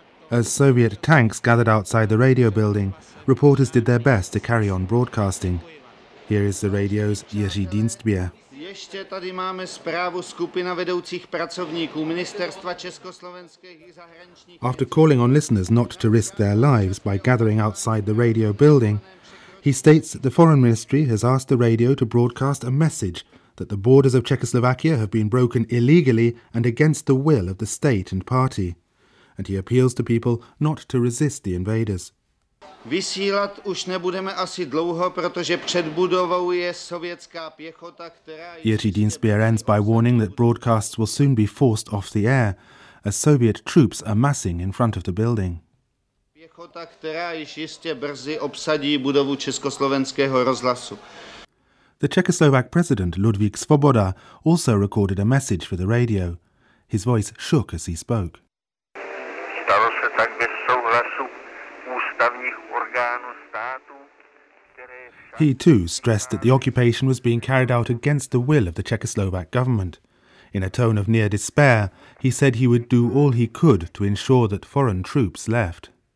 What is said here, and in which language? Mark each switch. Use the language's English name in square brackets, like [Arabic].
[English] As Soviet tanks gathered outside the radio building, reporters did their best to carry on broadcasting. Here is the radio's Jiří Dienstbier. [Czech] Ještě tady máme zprávu skupina vedoucích pracovníků ministerstva československých zahraničních. [English] After calling on listeners not to risk their lives by gathering outside the radio building, he states that the foreign ministry has asked the radio to broadcast a message that the borders of Czechoslovakia have been broken illegally and against the will of the state and party, and he appeals to people not to resist the invaders. [Czech] Vysílat už nebudeme asi dlouho, protože před budovou je sovětská pěchota, která... [English] Jiří Dienstbier ends by warning that broadcasts will soon be forced off the air as Soviet troops are massing in front of the building. [Czech] Pěchota, která již jistě brzy obsadí budovu Československého rozhlasu. [English] The Czechoslovak president Ludvík Svoboda also recorded a message for the radio. His voice shook as he spoke. [Czech] Stalo se tak bez souhlasu ústavních orgánů státu, které... [English] He too stressed that the occupation was being carried out against the will of the Czechoslovak government. In a tone of near despair, he said he would do all he could to ensure that foreign troops left.